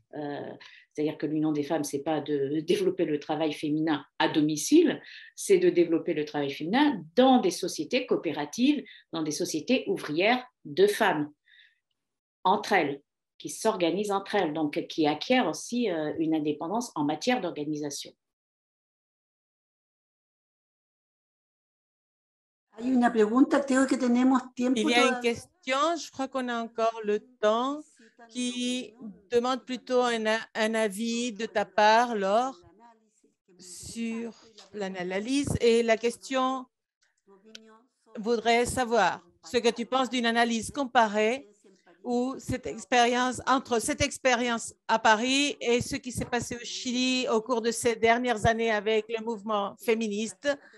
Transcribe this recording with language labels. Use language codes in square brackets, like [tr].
[fr] C'est-à-dire que l'Union des femmes, ce n'est pas de développer le travail féminin à domicile, c'est de développer le travail féminin dans des sociétés coopératives, dans des sociétés ouvrières de femmes, entre elles, qui s'organisent entre elles, donc qui acquièrent aussi une indépendance en matière d'organisation. [es] Hay una pregunta, creo que tenemos tiempo. [fr] Il y a une question, je crois qu'on a encore le temps, qui demande plutôt un avis de ta part, Laure, sur l'analyse. Et la question voudrait savoir ce que tu penses d'une analyse comparée ou cette expérience, entre cette expérience à Paris et ce qui s'est passé au Chili au cours de ces dernières années avec le mouvement féministe.